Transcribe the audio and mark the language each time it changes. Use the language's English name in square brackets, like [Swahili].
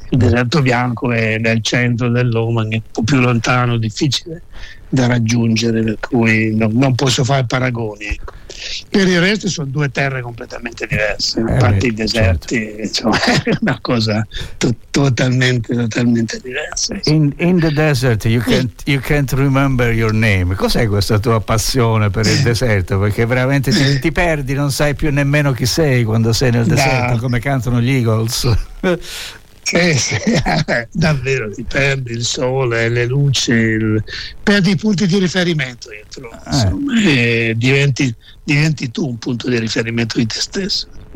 [Italian] Il deserto bianco è nel centro dell'Oman, è un po' più lontano, difficile da raggiungere, per cui non posso fare paragoni. Per il resto sono due terre completamente diverse, infatti i deserti, certo. Cioè, è una cosa totalmente diversa. [English] In the desert you can't remember your name. [Italian] Cos'è questa tua passione per il deserto? Perché veramente ti perdi, non sai più nemmeno chi sei quando sei nel deserto, come cantano gli Eagles. Sì, davvero ti perdi il sole, le luci, perdi i punti di riferimento, e diventi tu un punto di riferimento di te stesso.